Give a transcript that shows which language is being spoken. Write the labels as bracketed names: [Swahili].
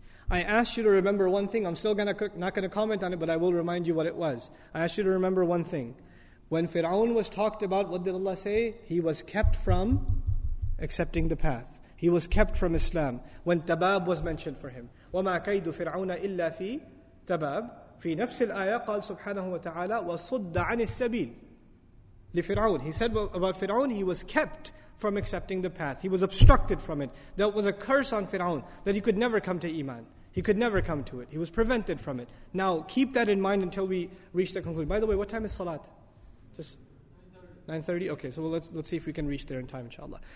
[English] I asked you to remember one thing. I'm still not going to comment on it, but I will remind you what it was. I asked you to remember one thing. When Fir'aun was talked about, what did Allah say? He was kept from accepting the path. He was kept from Islam. When Tabab was mentioned for him. [Arabic] وَمَا كَيْدُ فِرْعَوْنَ إِلَّا فِي تباب في نفس الآية قال سبحانه وتعالى وصد عن السبيل لفرعون. [English] He said about Fir'aun, he was kept from accepting the path. He was obstructed from it. That was a curse on Fir'aun, that he could never come to Iman. He could never come to it. He was prevented from it. Now keep that in mind until we reach the conclusion. By the way, what time is Salat? Just 9:30. Okay, so let's see if we can reach there in time, inshallah.